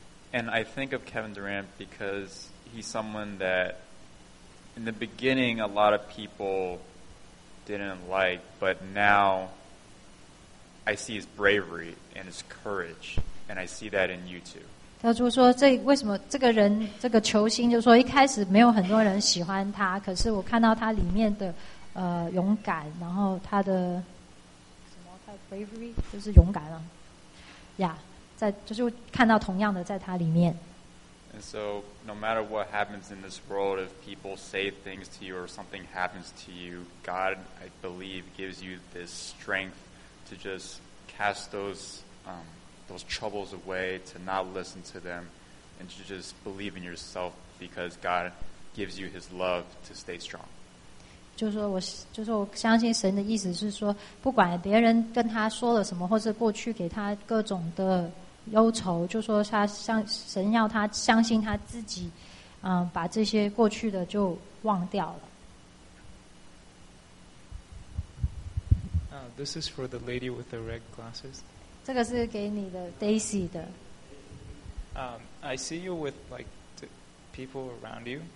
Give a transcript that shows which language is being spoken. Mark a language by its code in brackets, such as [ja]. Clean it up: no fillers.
[en] And I think of Kevin Durant because he's someone that, in the beginning, a lot of people didn't like, but now... I see his bravery and his courage, and I see that in you too. [zh] 他就说这为什么这个人这个球星就说一开始没有很多人喜欢他，可是我看到他里面的勇敢，然后他的什么他的 bravery 就是勇敢了呀， yeah, 在就是看到同样的在他里面。 [en] And so, no matter what happens in this world, if people say things to you or something happens to you, God, I believe, gives you this strength. To just cast those troubles away, to not listen to them, and to just believe in yourself because God gives you His love to stay strong. [zh] 就是说我相信神的意思是说，不管别人跟他说了什么，或是过去给他各种的忧愁，就说他相神要他相信他自己，把这些过去的就忘掉了。 [en] This is for the lady with the red glasses. [zh] 这个是给你的 Daisy 的。 [en] I see you with like people around you.